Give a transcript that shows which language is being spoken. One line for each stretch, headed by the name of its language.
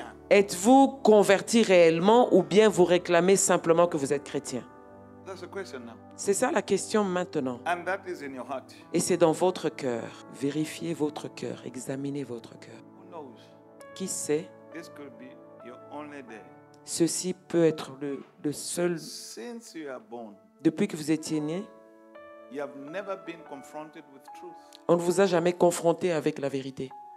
French: Êtes-vous converti réellement ou bien vous réclamez simplement que vous êtes chrétien? C'est ça la question maintenant.
English: And that is in your heart.
French: Et c'est dans votre cœur. Vérifiez votre cœur. Examinez votre cœur.
English: Who knows?
French: Qui sait?
English: This could be your only day.
French: Ceci peut être le seul.
English: Since you are born,
French: depuis que vous étiez né,
English: you have never been confronted with truth.
French: On ne vous a jamais confronté avec la vérité.